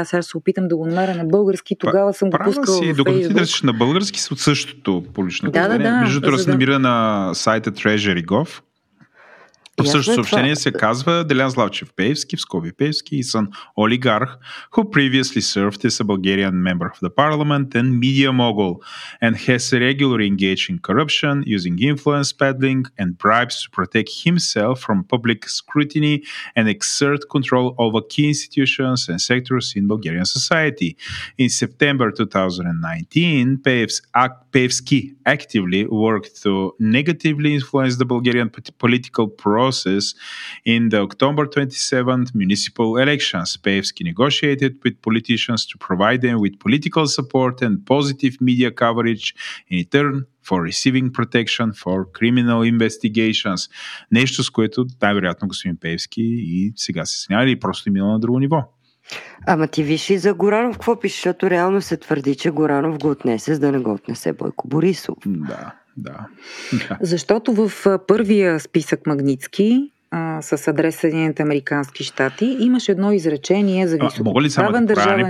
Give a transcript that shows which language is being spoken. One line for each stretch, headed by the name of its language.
Bulgarian: Аз сега се опитам да го намеря на български, тогава съм го пускал в Фейсбук. Докато ти държиш на български, от същото полично поведение. Между другото, се намира на сайта Treasury.gov. По същото съобщение се казва Делян Славчев Пеевски, в скоби Пеевски,
English: is an oligarch who previously served as a Bulgarian member of the parliament and media mogul and has regularly engaged in corruption, using influence peddling and bribes to protect himself from public scrutiny and exert control over key institutions and sectors in Bulgarian society. In September 2019, Пеевски actively worked to negatively influence the Bulgarian political process in the October 27th municipal elections. Pevsky negotiated with politicians to provide them with political support and positive media coverage in return for receiving protection for criminal investigations.
Bulgarian: Нещо, с което най-вероятно господин Пеевски и сега се сняли и просто имало на друго ниво. Ама ти виж и за Горанов какво пише, защото реално се твърди, че Горанов го отнесе, за да не го отнесе Бойко Борисов. Да. Да. Защото в първия списък Магницки с адрес Съединените американски щати имаше едно изречение за високоставен държавен служител.